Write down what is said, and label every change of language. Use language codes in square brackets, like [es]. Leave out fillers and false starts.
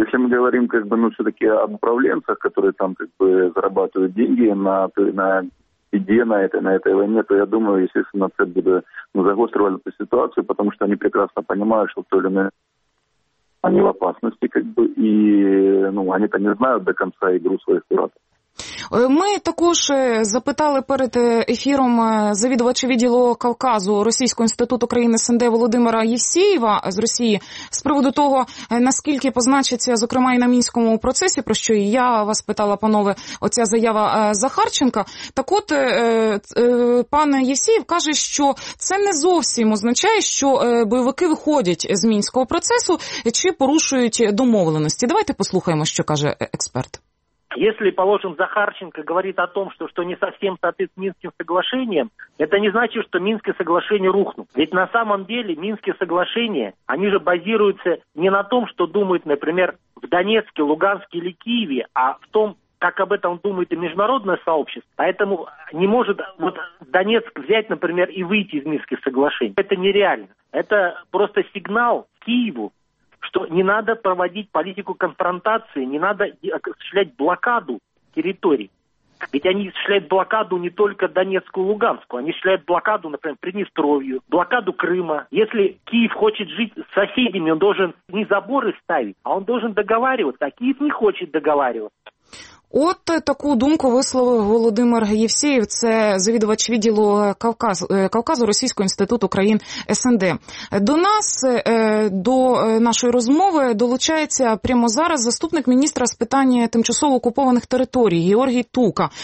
[ru] Если мы говорим, как бы, ну, все-таки об управленцах, которые там, как бы, зарабатывают деньги на беде на этой войне, то я думаю, естественно, это будет, ну, загострило эту ситуацию, потому что они прекрасно понимают, что в той или иной они в опасности, как бы, и, ну, они-то не знают до конца игру своих куратов. [uk] Ми також запитали перед ефіром завідувача відділу Кавказу Російського інституту країни СНД Володимира Євсєєва з Росії з приводу того, наскільки позначиться, зокрема, і на мінському процесі, про що і я вас питала, панове, оця заява Захарченка. Так от, пан Євсєєв каже, що це не зовсім означає, що бойовики виходять з мінського процесу чи порушують домовленості. Давайте послухаємо, що каже експерт. [ru] Если, положим, Захарченко говорит о том, что не совсем соответствует Минским соглашениям, это не значит, что Минские соглашения рухнут. Ведь на самом деле Минские соглашения, они же базируются не на том, что думают, например, в Донецке, Луганске или Киеве, а в том, как об этом думает и международное сообщество. Поэтому не может вот Донецк взять, например, и выйти из Минских соглашений. Это нереально. Это просто сигнал Киеву, что не надо проводить политику конфронтации, не надо осуществлять блокаду территорий. Ведь они осуществляют блокаду не только Донецку и Луганску, они осуществляют блокаду, например, Приднестровью, блокаду Крыма. Если Киев хочет жить с соседями, он должен не заборы ставить, а он должен договариваться, а Киев не хочет договариваться. [uk] От таку думку висловив Володимир Євсєєв, це завідувач відділу Кавказу Російського інституту країн СНД. До нас, до нашої розмови долучається прямо зараз заступник міністра з питань тимчасово окупованих територій Георгій Тука.